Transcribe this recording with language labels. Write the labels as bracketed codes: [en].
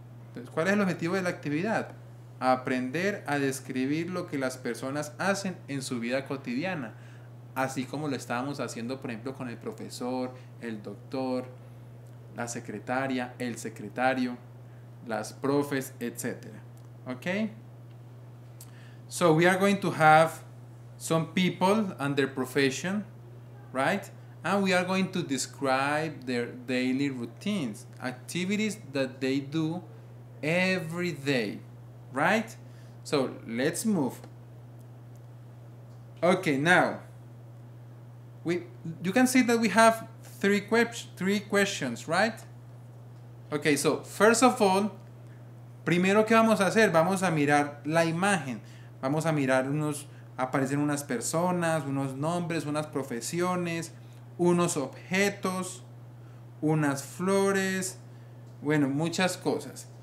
[es] Entonces, ¿cuál es el objetivo de la actividad? Aprender a describir lo que las personas hacen en su vida cotidiana. Así como lo estábamos haciendo, por ejemplo, con el profesor, el doctor, la secretaria, el secretario, las profes, etc. ¿Ok? [en] So we are going to have some people and their profession, right? And we are going to describe their daily routines, activities that they do every day, right? So let's move. Okay, now you can see that we have three questions, right? Okay, so first of all, [es] primero que vamos a hacer, vamos a mirar la imagen, vamos a mirar aparecen unas personas, unos nombres, unas profesiones, unos objetos, unas flores, bueno, muchas cosas.